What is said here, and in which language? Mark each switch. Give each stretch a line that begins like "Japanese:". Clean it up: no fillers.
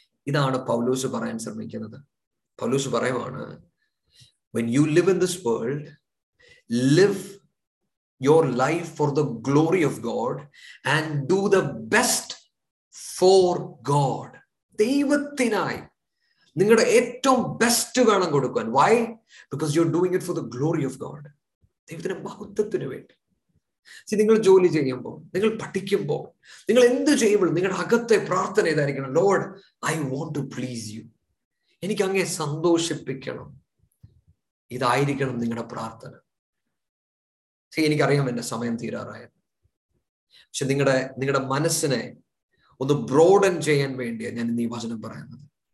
Malayalam: ഇതാണ് പൗലോസ് പറയാൻ ശ്രമിക്കുന്നത്. പൗലോസ് പറയുവാണ്, When you live in this world, live your life for the glory of God and do the best for God. ദൈവത്തിനായി നിങ്ങളുടെ ഏറ്റവും best വേണം കൊടുക്കാൻ.
English: Why? Because you're doing it for the glory of God.
Malayalam: ദൈവത്തിന്റെ മഹത്വത്തിന് വേണ്ടി. നിങ്ങൾ ജോലി ചെയ്യുമ്പോൾ, നിങ്ങൾ പഠിക്കുമ്പോൾ, നിങ്ങൾ എന്ത് ചെയ്യുമ്പോൾ നിങ്ങളുടെ അകത്തെ പ്രാർത്ഥന ഇതായിരിക്കണം, Lord I want to please you, എനിക്ക് അങ്ങേ സന്തോഷിപ്പിക്കണം, ഇതായിരിക്കണം നിങ്ങളുടെ പ്രാർത്ഥന. ശരി, എനിക്കറിയാം എന്റെ സമയം തീരാറായ, പക്ഷെ നിങ്ങളുടെ നിങ്ങളുടെ മനസ്സിനെ ഒന്ന് ബ്രോഡൻ ചെയ്യാൻ വേണ്ടിയാണ് ഞാൻ ഇന്ന് ഈ വചനം പറയുന്നത്.